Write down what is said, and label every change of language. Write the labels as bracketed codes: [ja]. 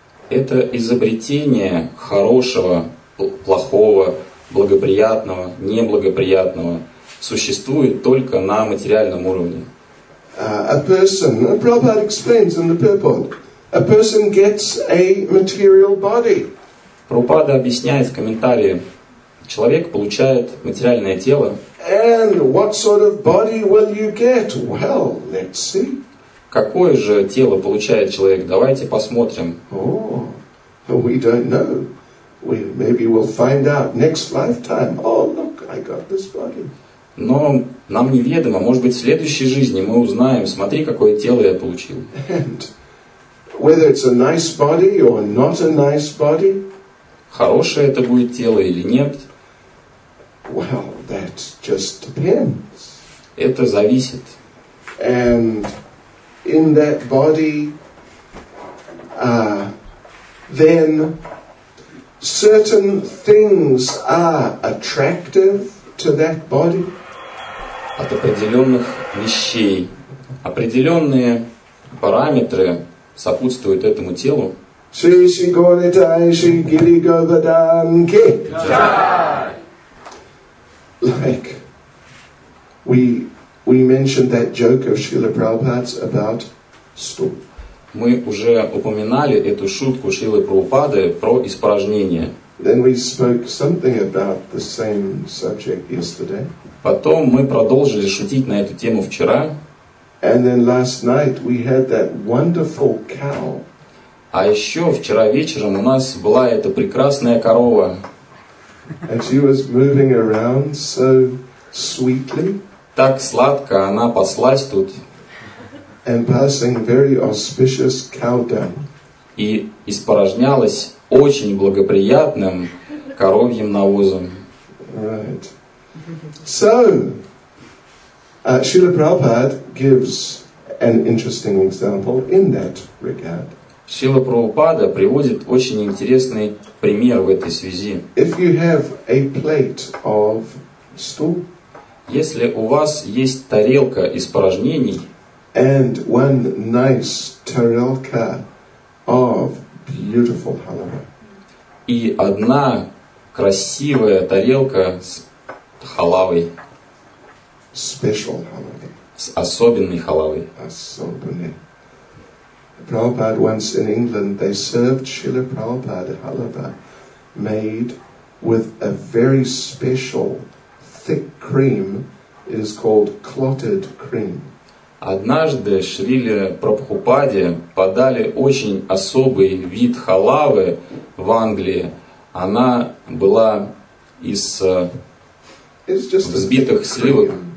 [ru] Это изобретение хорошего, плохого, благоприятного, неблагоприятного существует только на материальном уровне. [en] Prabhupada explains in the purport. A person gets a material body. [ru] Прабхупада объясняет в комментарии. Человек получает материальное тело. [en] And what sort of body will you get? Well, let's see. [ru] Какое же тело получает человек? Давайте посмотрим. [en] We don't know. Maybe we'll find out next lifetime. Oh, look, I got this body. [ru] Но нам неведомо. Может быть, в следующей жизни мы узнаем. Смотри, какое тело я получил. [en] And whether it's a nice body or not a nice body. [ru] Хорошее это будет тело или нет. [en] Well, that just depends. [ru] Это зависит. [en] And in that body, then certain things are attractive to that body. [ru] От определенных вещей. Определенные параметры сопутствуют этому телу. [hi] Shri Shri Gaurdai Shri Giri Govardhan Ki. [en] Like, we mentioned that joke of Srila Prabhupada's about stool. [ru] Мы уже упоминали эту шутку Шрилы Прабхупады про испражнения. [en] Then we spoke something about the same subject yesterday. [ru] Потом мы продолжили шутить на эту тему вчера. [en] And then last night we had that wonderful cow. [ru] А еще вчера вечером у нас была эта прекрасная корова. [en] And she was moving around so sweetly. [ru] Так сладко она паслась тут. [en] And passing very auspicious cow dung. [ru] И испорожнялась очень благоприятным коровьим навозом. [en] Right. So, Srila Prabhupada gives an interesting example in that regard. [ru] Srila Prabhupada приводит очень интересный пример в этой связи. [en] If you have a plate of stool. [ru] Если у вас есть тарелка испражнений, [en] and one nice tarelka of beautiful halwa. [ru] И одна красивая тарелка с халавой. [en] Special halwa. [ru] С особенной халавой. Особенной. [en] Prabhupada once in England, they served Srila Prabhupada halwa made with a very special thick cream. It is called clotted cream. [ru] Однажды Шриле Прабхупаде подали очень особый вид халавы в Англии. Она была из взбитых сливок.